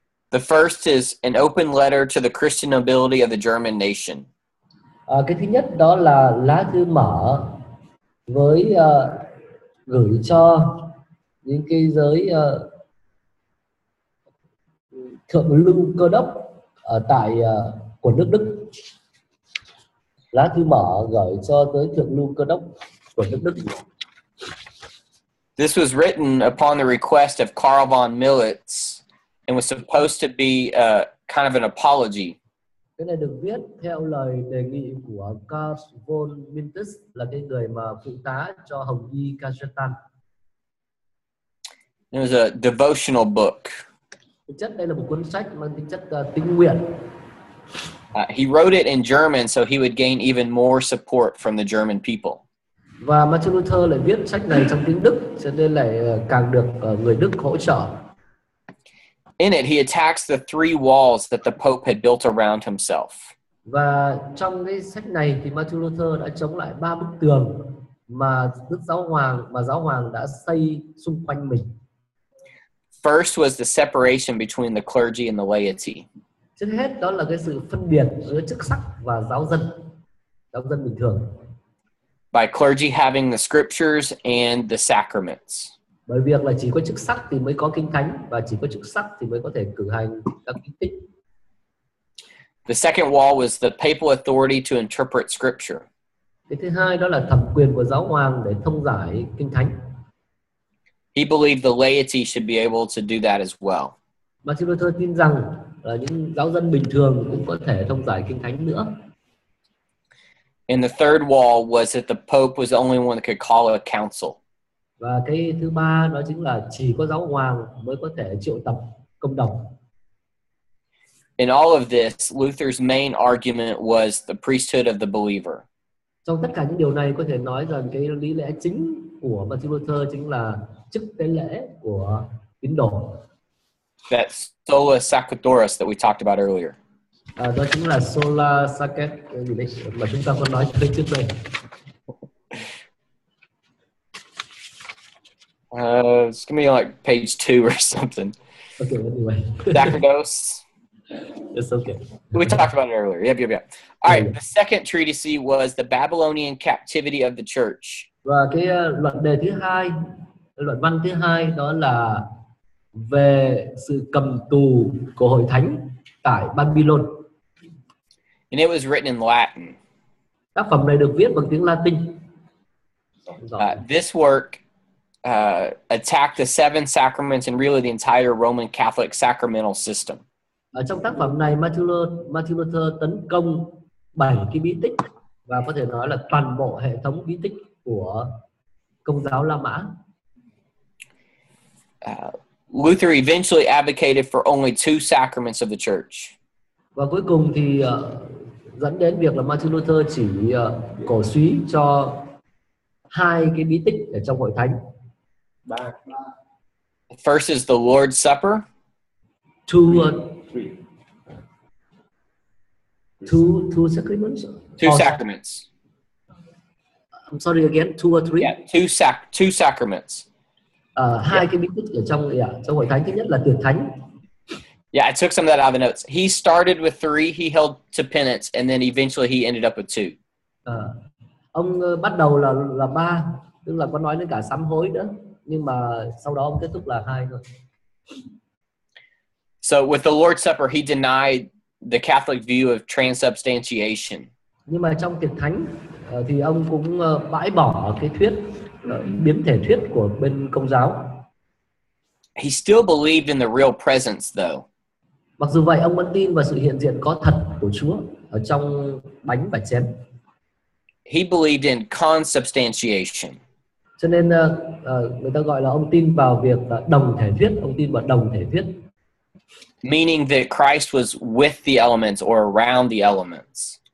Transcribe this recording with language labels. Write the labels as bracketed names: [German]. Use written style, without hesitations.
[English] The first is an open letter to the Christian nobility of the German nation. [Vietnamese] Cái thứ nhất đó là lá thư mở với gửi cho những cái giới thượng lưu cơ đốc ở tại của nước Đức. Lá thư mở gửi cho tới thượng lưu cơ đốc của nước Đức. [English] This was written upon the request of Karl von Militz and was supposed to be a kind of an apology. [Vietnamese] Cái này được viết theo lời đề nghị của Karl von Militz là cái người mà phụ tá cho Hồng Y Kajetan. [English] It was a devotional book. [Vietnamese] Thực chất đây là một cuốn sách mang tính chất tinh nguyện. [English] He wrote it in German so he would gain even more support from the German people. [Vietnamese] Và Martin Luther lại viết sách này trong tiếng Đức cho nên lại càng được người Đức hỗ trợ. [English] In it, he attacks the three walls that the Pope had built around himself. [Vietnamese] Và trong cái sách này thì Martin Luther đã chống lại ba bức tường mà Đức Giáo Hoàng và Giáo Hoàng đã xây xung quanh mình. [English] First was the separation between the clergy and the laity. [Vietnamese] Trước hết đó là cái sự phân biệt giữa chức sắc và giáo dân bình thường. [English] By clergy having the scriptures and the sacraments. [Vietnamese] Bởi việc là chỉ có chức sắc thì mới có kinh thánh và chỉ có chức sắc thì mới có thể cử hành các kinh tích. [English] The second wall was the papal authority to interpret scripture. [Vietnamese] Cái thứ hai đó là thẩm quyền của giáo hoàng để thông giải kinh thánh. [English] He believed the laity should be able to do that as well. [Vietnamese] Martin Luther tin rằng là những giáo dân bình thường cũng có thể thông giải kinh thánh nữa. [English] And the third wall was that the Pope was the only one that could call a council. [Vietnamese] Và cái thứ ba đó chính là chỉ có giáo hoàng mới có thể triệu tập công đồng. [English] In all of this, Luther's main argument was the priesthood of the believer. [Vietnamese] Trong tất cả những điều này có thể nói rằng cái lý lẽ chính của Martin Luther chính là chức tế lễ của tín đồ. [English] That sola sacerdotis that we talked about earlier. [Vietnamese] Đó chính là sola sacerdotis mà chúng ta có nói trước đây. [English] It's gonna be like page 2 or something. Okay, anyway. Sacerdos. It's okay. We talked about it earlier. Yep, yep, yep. All right, the second treatise was the Babylonian captivity of the church. [Vietnamese] Và cái luận đề thứ hai, luận văn thứ hai đó là về sự cầm tù của hội thánh tại Babylon. [English] And it was written in Latin. [Vietnamese] Tác phẩm này được viết bằng tiếng Latin. [English] This work attacked the seven sacraments and really the entire Roman Catholic sacramental system. [Vietnamese] Ở trong tác phẩm này, Martin Luther tấn công bảy cái bí tích và có thể nói là toàn bộ hệ thống bí tích của Công giáo La Mã. [English] Luther eventually advocated for only two sacraments of the church. [Vietnamese] Và cuối cùng thì dẫn đến việc là Martin Luther chỉ cổ suý cho hai cái bí tích ở trong hội thánh. Ba. [English] First is the Lord's Supper. Two sacraments. I'm sorry again. Two or three. Yeah, two sacraments. [Vietnamese] Hai cái bí tích ở trong trong hội thánh, thứ nhất là tiệc thánh. [English] Yeah, I took some of that out of the notes. He started with three. He held to penance, and then eventually he ended up with two. [Vietnamese] Ông bắt đầu là ba, tức là có nói đến cả sám hối đó, nhưng mà sau đó ông kết thúc là hai thôi. [English] So with the Lord's Supper, he denied the Catholic view of transubstantiation. [Vietnamese] Nhưng mà trong tiệc thánh thì ông cũng bãi bỏ cái thuyết biến thể thuyết của bên Công giáo. [English] He still believed in the real presence, though. [Vietnamese] Mặc dù vậy, ông vẫn tin vào sự hiện diện có thật của Chúa ở trong bánh và chén. [English] He believed in consubstantiation. [Vietnamese] Cho nên người ta gọi là ông tin vào việc đồng thể thuyết. Ông tin vào đồng thể thuyết. [English] Meaning that Christ was with the elements or around the elements.